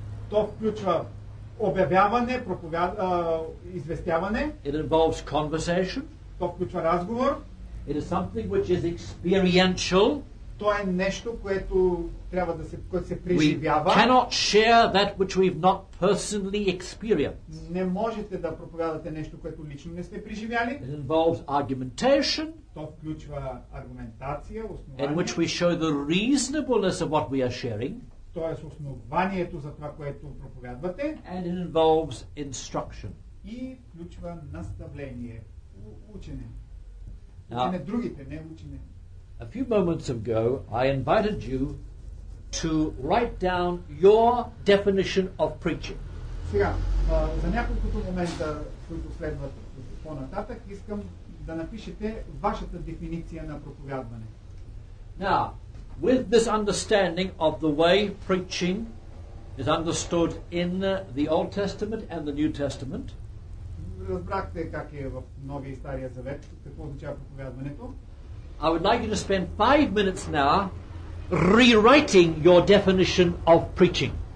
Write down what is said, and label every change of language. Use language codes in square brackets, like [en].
[bg] То включва обявяване, известяване. [en] It involves conversation. [bg] То включва разговор. [en] It is something which is experiential. [bg] То е нещо, което трябва да се, което се преживява. [en] We cannot share that which we've not personally experienced. [bg] Не можете да проповядате нещо, което лично не сте преживяли. [en] It involves argumentation. [bg] То включва аргументация, основание. [en] In which we show the reasonableness of what we are sharing. [bg] Тоест основанието за това, което проповядвате. [en] And it involves instruction. [bg] И включва наставление, учене. Учене другите, не учене. [en] A few moments ago, I invited you to write down your definition of preaching. [bg] Сега, за няколкото момента, които следват по-нататък, искам да напишете вашата дефиниция на проповядване. [en] Now, with this understanding of the way preaching is understood in the Old Testament and the New Testament, [bg] разбрахте как е в Новия и Стария Завет, какво означава проповядването. [en] I would like you to spend 5 minutes now rewriting your definition of preaching.